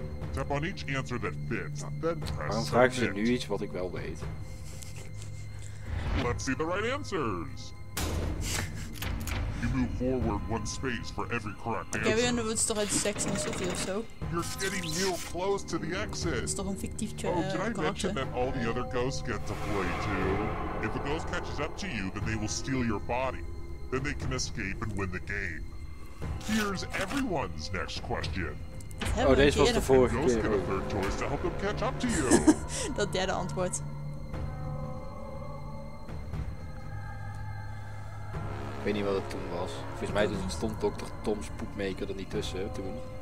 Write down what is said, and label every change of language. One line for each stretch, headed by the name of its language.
English: Tap on each answer that fits, then press submit.
Dutch: Waarom vragen ze nu iets wat ik wel weet?
English: Let's see the right answers. You move forward one space for every correct answer.
Dutch: Gary Underwood's toch uit Sex and the City of so?
English: You're getting real close to the exit.
Dutch: It's toch een fictief
English: character. Oh, did I mention that all the other ghosts get to play too? If a ghost catches up to you, then they will steal your body. Then they can escape and win the game. Here's everyone's next question.
Dutch: Oh, deze was de vorige keer.
English: Ghosts get a third choice to help them catch up to you.
Dutch: Dat derde antwoord. Ik weet niet wat het toen was. Volgens mij stond Dr. Tom's Poepmaker er niet tussen toen.